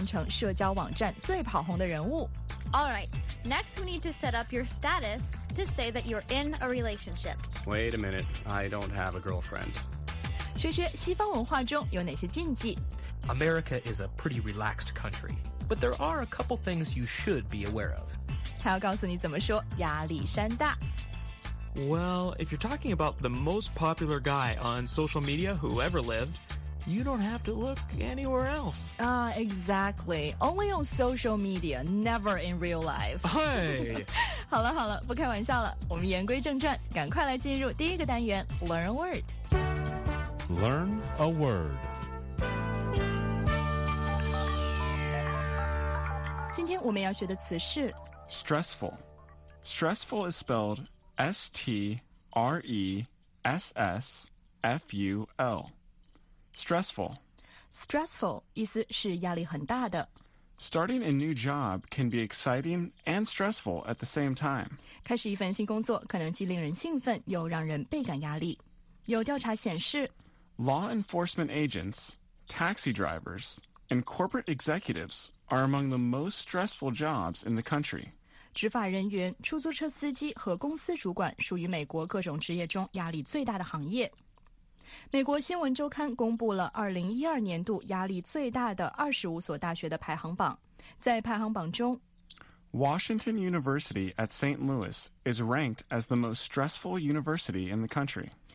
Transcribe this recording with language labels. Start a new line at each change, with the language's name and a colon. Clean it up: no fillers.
Chinese: 欢迎大家来到这期的美语训练班，我是杨林，我是麦杨林，来告诉大家今天都要学什么了。没问题，今天我们要聊聊怎么变成社交网站最跑红的人物。
English: Alright, next we need to set up your status to say that you're in a relationship. Wait a minute, I don't have a girlfriend.
Chinese: 学学西方文化中有哪些禁忌？
English: America is a pretty relaxed country, but there are a couple things you should be aware of.
Chinese: 他要告诉你怎么说压力山大。
English: Well, if you're talking about the most popular guy on social media who ever lived, you don't have to look anywhere else. Exactly. Only on social media, never in real life. Hey!
Chinese: 好了好了，不开玩笑了，我们言归正传，赶快来进入第一个单元
English: Learn a Word. Learn a Word.
Chinese: 今天我们要学的词是
English: Stressful. Stressful is spelled S-T-R-E-S-S-F-U-L. Stressful. Stressful
Chinese: 意思是压力很大的。
English: Starting a new job can be exciting and stressful at the same time.
Chinese: 开始一份新工作可能既令人兴奋又让人倍感压力。有调查显示，
English: Law enforcement agents, taxi drivers, and corporate executives are among the most stressful jobs in the country.
Chinese: 执法人员、出租车司机和公司主管属于美国各种职业中压力最大的行业。美国新闻周刊公布了2012年度压力最大的25所大学的排行榜。在排行榜中， Washington University at St. Louis is ranked as the most stressful university in the country.